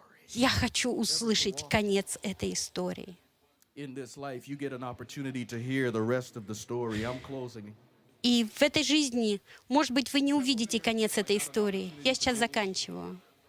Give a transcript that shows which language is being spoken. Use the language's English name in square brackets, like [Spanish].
[Russian] Я хочу услышать конец этой истории. [English] In this life you get an opportunity to hear the rest of the story. I'm closing. [Russian] И в этой жизни, может быть, вы не увидите конец этой истории. Я сейчас заканчиваю.